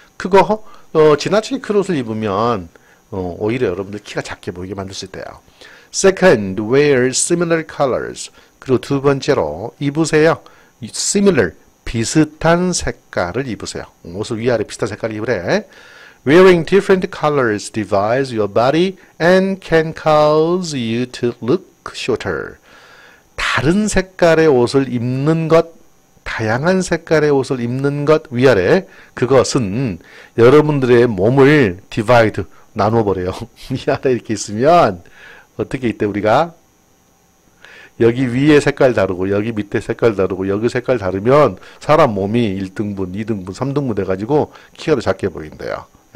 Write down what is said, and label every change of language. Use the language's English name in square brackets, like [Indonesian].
[Korean] 그거, 지나치게 큰 옷을 입으면, 오히려 여러분들 키가 작게 보이게 만들 수 있대요. [English] Second, wear similar colors. [Korean] 그리고 두 번째로, 입으세요. similar, 비슷한 색깔을 입으세요. 옷을 위아래 비슷한 색깔을 입으래. [English] Wearing different colors divides your body and can cause you to look shorter. [Korean] 다른 색깔의 옷을 입는 것, 다양한 색깔의 옷을 입는 것 위아래, 그것은 여러분들의 몸을 divide, 나눠버려요. 위아래 이렇게 있으면, 어떻게 이때 우리가? 여기 위에 색깔 다르고, 여기 밑에 색깔 다르고, 여기 색깔 다르면, 사람 몸이 1등분, 2등분, 3등분 돼가지고, 키가 더 작게 보인대요.